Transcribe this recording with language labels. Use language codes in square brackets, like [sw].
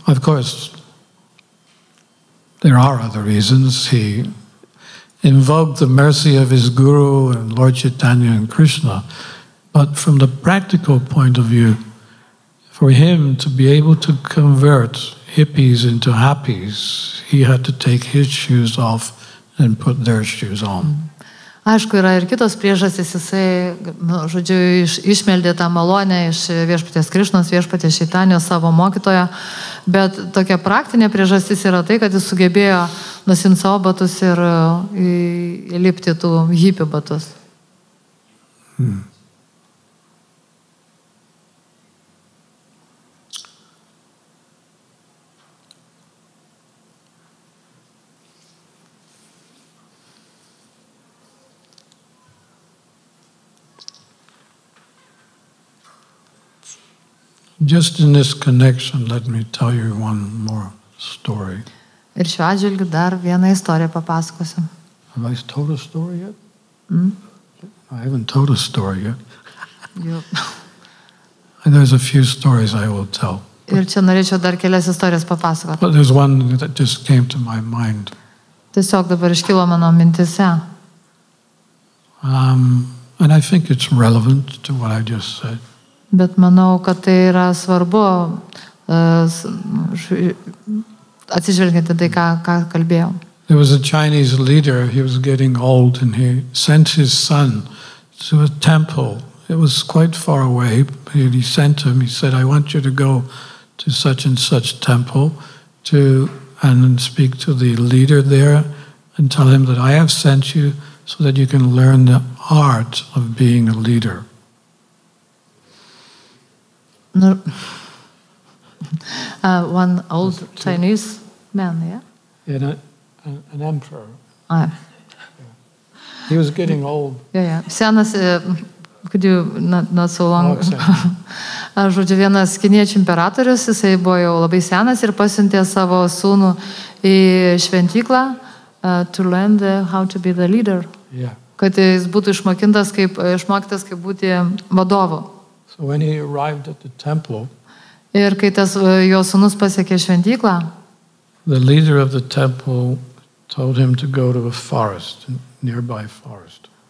[en] Of course, there are other reasons. He invoked the mercy of his guru and Lord Chaitanya and Krishna. But from the practical point of view, for him to be able to convert hippies into happies, he had to take his shoes off and put their shoes on. [lt] Aišku, yra ir kitos priežastys, jisai, nu, žodžiu, išmeldė tą malonę iš viešpatės Krišnos, viešpatės Šeitanio, savo mokytojo, bet tokia praktinė priežastys yra tai, kad jis sugebėjo nusimti savo batus ir įlipti tų hipių batus. [en] Just in this connection, let me tell you one more story. [lt] Ir šiuo atžvilgiu dar vieną istoriją papasakosiu. [en] Have I told a story yet? I haven't told a story yet. And there's a few stories I will tell. [lt] Ir čia norėčiau dar kelias istorijas papasakoti. [en] But there's one that just came to my mind. [lt] Tiesiog dabar iškilo mano mintise. [en] And I think it's relevant to what I just said. [lt] Bet manau, kad tai yra svarbu atsižvelgiant tai, ką kalbėjau. [en] There was a Chinese leader, he was getting old and he sent his son to a temple. It was quite far away. He sent him, he said, I want you to go to such and such temple to and speak to the leader there and tell him that I have sent you so that you can learn the art of being a leader. One old Chinese man, yeah? Yeah, an emperor. Ah. Yeah. He was getting old. [lt] Senas, kad jau [en] not so long. [lt] Žodžiu, vienas kiniečių imperatorius, jisai buvo jau labai senas ir pasiuntė savo sūnų į šventyklą [en] to learn the, how to be the leader. Yeah. [lt] Kad jis būtų išmokytas kaip būti vadovu. [en] So when he arrived at the temple, [lt] ir kai tas jo sūnus pasiekė šventyklą, [en] the leader of the temple told him to go to a forest, a nearby forest.